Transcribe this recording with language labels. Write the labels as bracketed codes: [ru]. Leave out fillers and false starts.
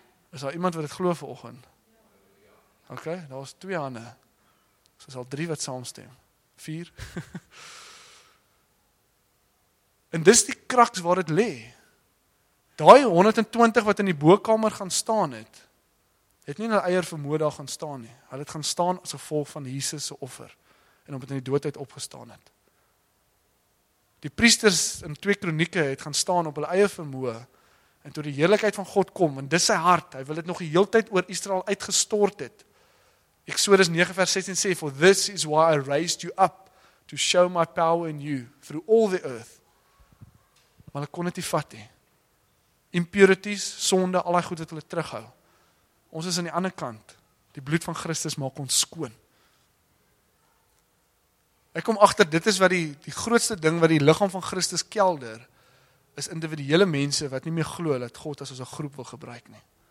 [af] Is daar iemand wat dit geloof vanoggend? Ok, daar is twee hande. So is al drie wat saamstem. Vier. En dis die kraks waar dit lê. Daai 120 wat in die bokamer gaan staan het, het nie na eier vermoë daar gaan staan nie. Hulle het gaan staan as gevolg van Jesus se offer en omdat hy in die dood uit opgestaan het. Die priesters in 2 Kronieke het gaan staan op hulle eie vermoë en toe die heerlikheid van God kom en dis sy hart, hy wil dit nog die hele tyd oor Israel uitgestort het. Eksodus 9 vers 16 sê, [en] "For this is why I raised you up to show my power in you through all the earth." [af] Maar hulle kon dit nie vat nie. Impurities, sonde, al die goed wat hulle terughou. Ons is aan die ander kant. Die bloed van Christus maak ons skoon. Ek kom agter, dit is wat die grootste ding wat die liggaam van Christus kelder, is individuele mense wat nie meer glo dat God as ons 'n groep wil gebruik nie.